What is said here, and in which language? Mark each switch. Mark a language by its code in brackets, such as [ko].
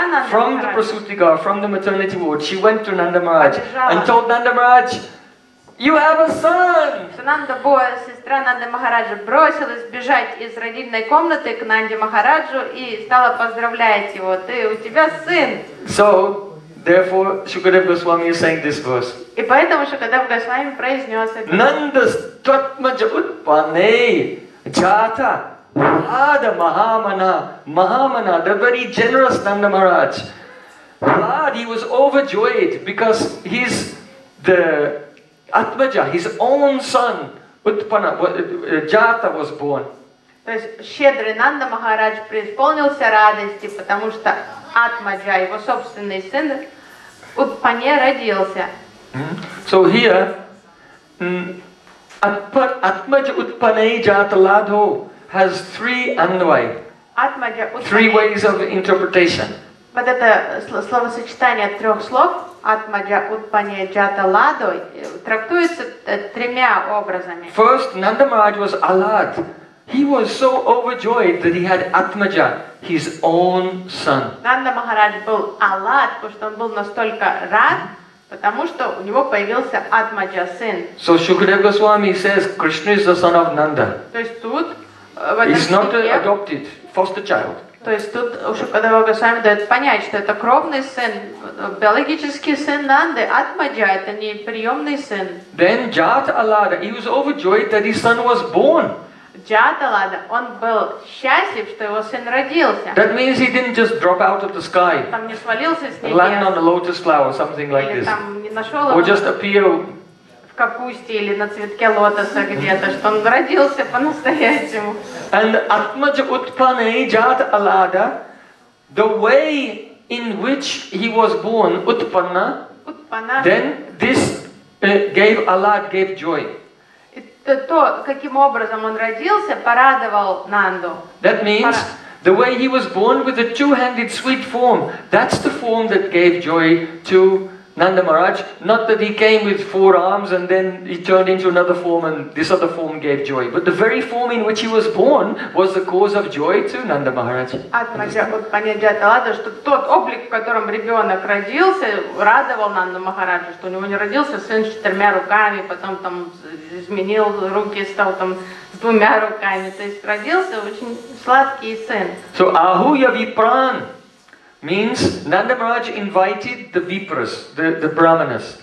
[en] From the Prasuti Gar, from the maternity ward, she went to Nandamaraj and told Nandamaraj, "You have a son." [ru] Санандабуа, сестра Нанды Махараджа, бросилась бежать из родильной комнаты к Нанде Махараджу и стала поздравлять его: "Ты, у тебя сын." [en] So, therefore, Shukadev Goswami is saying this verse. [ru] И поэтому Шукадев Госвами произнес это. [sa] Нандас тватмаджа утпане чата. [en] Hada Mahamana, Mahamana, the very generous Nanda Maharaj. Hada, he was overjoyed because he's the Atmaja, his own son, Utpana, Jata was born. [ru] То есть щедрый Нанда Махарадж преисполнился радости, потому что Атмаджа, его собственный сын, Утпане родился. [en] So here, Atmaja Utpane Jata Ladho has three anvay, three ways of interpretation. [ru] Вот это словосочетание трех слов атмаджа утпане джата ладо трактуется тремя образами. [en] First, Nanda Maharaj was alad. He was so overjoyed that he had атмаджа, his own son. [ru] Нанда Махарадж был алад, потому что он был настолько рад, потому что у него появился атмаджа сын. [en] So Shukadev Goswami says Krishna is the son of Nanda. [ru] То есть тут [en] He's not an adopted foster child. [ru] То есть тут Шукадева Госвами дает понять, что это кровный сын, биологический сын Нанды, Атмаджа, это не приемный сын. [en] Then Jata Alada, he was overjoyed that his son was born. [ru] Jata Alada, он был счастлив, что его сын родился. [en] That means he didn't just drop out of the sky. [ru] Там не свалился с неба. [en] Land on a lotus flower, something like this. Or just appear. [ru] Капусте или на цветке лотоса где-то, что он родился по-настоящему. [en] And Atmaja Utpane Jata Alada, the way in which he was born, Utpanna, then this gave Alad, gave joy. [ru] То, каким образом он родился, порадовал Нанду. [en] That means the way he was born with a two-handed sweet form, that's the form that gave joy to Nanda Maharaj, not that he came with four arms and then he turned into another form and this other form gave joy. But the very form in which he was born was the cause of joy to Nanda Maharaj. [ru] Атмаджа утпане джата лада, что тот облик, в котором ребенок родился, радовал Нанда Махараджа, что у него не родился сын с четырьмя руками, потом там изменил руки, стал там с двумя руками. То есть родился очень сладкий сын. [en] So Ahuya Vipran. Means Nanda Maharaj invited the vipras, the brahmanas.